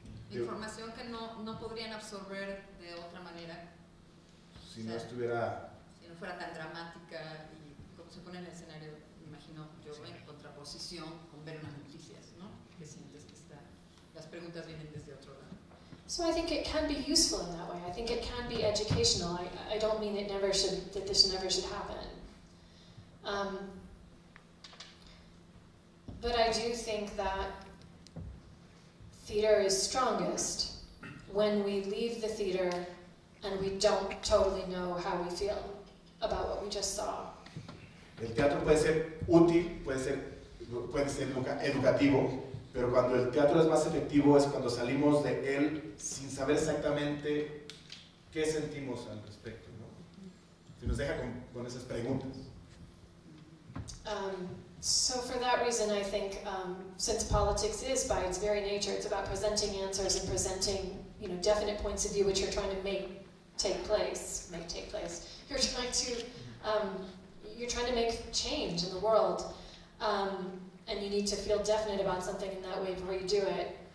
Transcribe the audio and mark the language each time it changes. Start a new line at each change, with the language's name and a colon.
Spanish: Información que no podrían absorber de otra manera. Si no estuviera. Si no fuera tan dramática y como se pone en el escenario. Imagino yo en contraposición con ver unas noticias, ¿no? Que sientes que está. Las preguntas vienen desde otro lado.
English: So I think it can be useful in that way. I think it can be educational. I don't mean that this never should happen. But I do think that theater is strongest when we leave the theater and we don't totally know how we feel about what we just saw.
Spanish: El teatro puede ser útil, puede ser educativo, pero cuando el teatro es más efectivo es cuando salimos de él sin saber exactamente qué sentimos al respecto, ¿no? Se nos deja con esas preguntas.
English: So for that reason I think since politics is by its very nature it's about presenting answers and presenting, you know, definite points of view which you're trying to make take place. You're trying to make change in the world, and you need to feel definite about something in that way before you do it.